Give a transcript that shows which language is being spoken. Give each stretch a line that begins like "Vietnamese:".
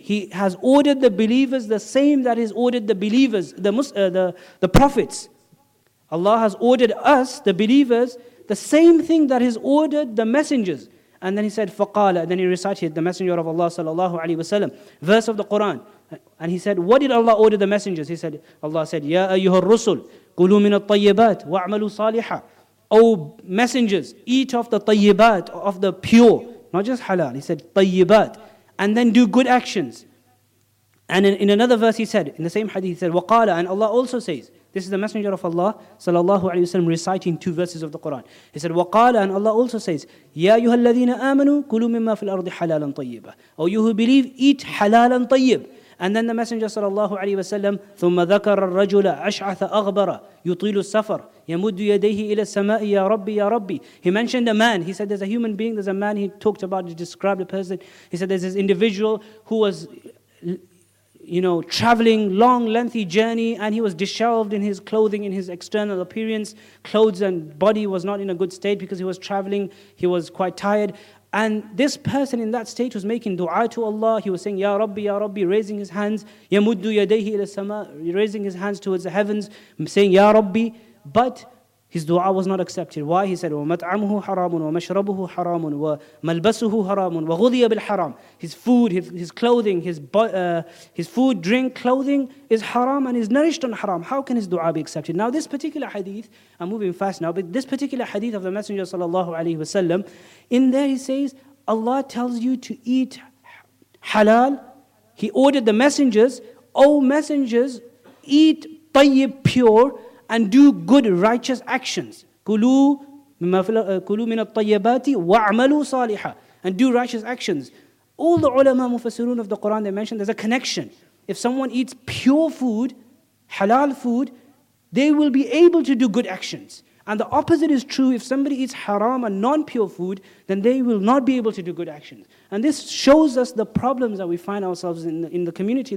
English: He has ordered the believers the same that He's ordered the believers, the prophets. Allah has ordered us, the believers, the same thing that He's ordered the messengers. And then he said, فَقَالَ. And then he recited the Messenger of Allah sallallahu alaihi wasallam, verse of the Quran. And he said, what did Allah order the messengers? He said, Allah said,
Arabic: يَا أَيُّهَا الرُّسُلُ قُلُوا مِنَ الطَّيِّبَاتِ وَأَعْمَلُوا صَالِحًا.
English: Oh, messengers, eat of the طَيِّبَات, of the pure. Not just halal. He said, طَيِّبَات. And then do good actions. And in another verse he said, in the same hadith, he said, وَقَالَ. And Allah also says, this is the Messenger of Allah, sallallahu alayhi wa sallam, reciting two verses of the Quran. He said, وَقَالَ. And Allah also says,
Arabic: يَا أَيُّهَا الَّذِينَ آمَنُوا كُلُوا مِمَّا فِي الْأَرْضِ حَلَالًا طَيِّبًا.
English: Oh, you who believe, eat halalan طَيِّبًا. And then the Messenger sallallahu alayhi wa sallam,
Arabic: ثُمَّ ذَكَرَ الرَّجُلَ أَشْعَثَ أَغْبَرَ يُطِيلُ السَّفَرَ يَمُدُّ يَدَيْهِ إِلَى السَّمَاءِ يَا رَبِّي يَا رَبِّي.
English: He mentioned a man. He said, there's a human being, there's a man. He talked about, he described a person. He said, there's this individual who was, you know, traveling long, lengthy journey, and he was disheveled in his clothing, in his external appearance. Clothes and body was not in a good state because he was traveling. He was quite tired. And this person in that state was making dua to Allah. He was saying, ya Rabbi, raising his hands.
Arabic: يَمُدُّ يَدَيْهِ إِلَى السَّمَاءِ,
English: raising his hands towards the heavens, saying, ya Rabbi. But his dua was not accepted. Why? He said,
Arabic: وَمَتْعَمُهُ حَرَامٌ وَمَشْرَبُهُ حَرَامٌ وَمَلْبَسُهُ حَرَامٌ وَغُذِيَ بِالْحَرَامٌ.
English: His food, his clothing, his food, drink, clothing is haram and is nourished on haram. How can his dua be accepted? Now this particular hadith, I'm moving fast now, but this particular hadith of the Messenger sallallahu alayhi wasallam, in there he says, Allah tells you to eat halal. He ordered the messengers, O messengers, eat tayyib, pure, and do good, righteous actions.
Arabic: كُلُوا مِنَ الطَّيَّبَاتِ وَعْمَلُوا صَالِحًا
English: and do righteous actions. All the ulama mufassirun of the Quran, they mentioned there's a connection. If someone eats pure food, halal food, they will be able to do good actions. And the opposite is true. If somebody eats haram and non-pure food, then they will not be able to do good actions. And this shows us the problems that we find ourselves in the community.